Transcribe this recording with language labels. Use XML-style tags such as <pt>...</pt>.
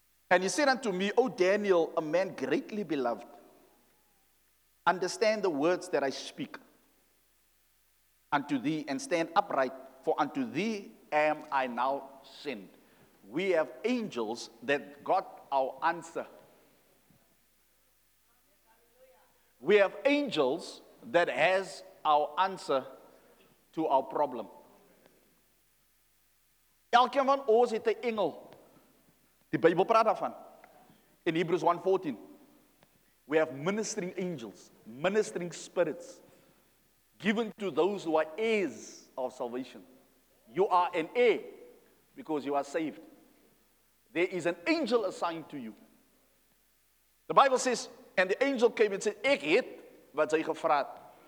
<en>And he said unto me, O Daniel, a man greatly beloved, understand the words that I speak unto thee and stand upright, for unto thee am I now sent. We have angels that got our answer. We have angels that has our answer to our problem.</en> <af>Elkeen van ons het 'n engel. Die Bybel praat daarvan. In Hebrews 1:14.</af> <en>We have ministering angels, ministering spirits, given to those who are heirs of salvation. You are an heir because you are saved. There is an angel assigned to you. The Bible says, and the angel came and said,</en> <af>ek het wat jy gevra het.</af>